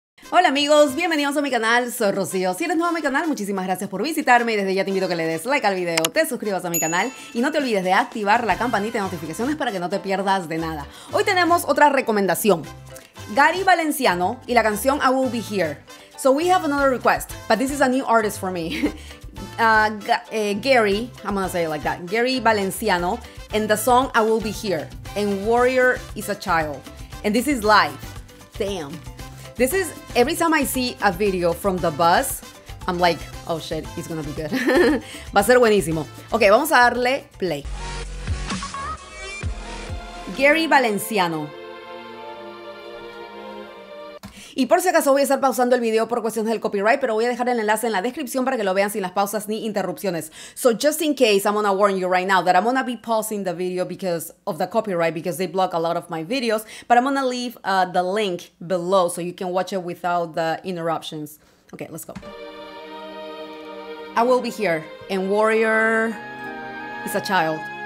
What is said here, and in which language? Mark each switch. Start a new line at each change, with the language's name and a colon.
Spanish: Hola amigos, bienvenidos a mi canal, soy Rocío. Si eres nuevo a mi canal, muchísimas gracias por visitarme y desde ya te invito a que le des like al video, te suscribas a mi canal y no te olvides de activar la campanita de notificaciones para que no te pierdas de nada. Hoy tenemos otra recomendación. Gary Valenciano y la canción I Will Be Here.
English: So we have another request, but this is a new artist for me. Gary, I'm gonna say it like that. Gary Valenciano and the song I Will Be Here and Warrior is a Child. And this is live. Damn. This is, every time I see a video from the bus, I'm like, oh shit, it's gonna be good.
Spanish: Va a ser buenísimo. Okay, vamos a darle play. Gary Valenciano. Y por si acaso voy a estar pausando el video por cuestiones del copyright, pero voy a dejar el enlace en la descripción para que lo vean sin las pausas ni interrupciones.
English: So just in case, I'm gonna warn you right now that I'm gonna be pausing the video because of the copyright, because they block a lot of my videos, but I'm gonna leave the link below so you can watch it without the interruptions. Okay, let's go. I will be here, and Warrior is a child.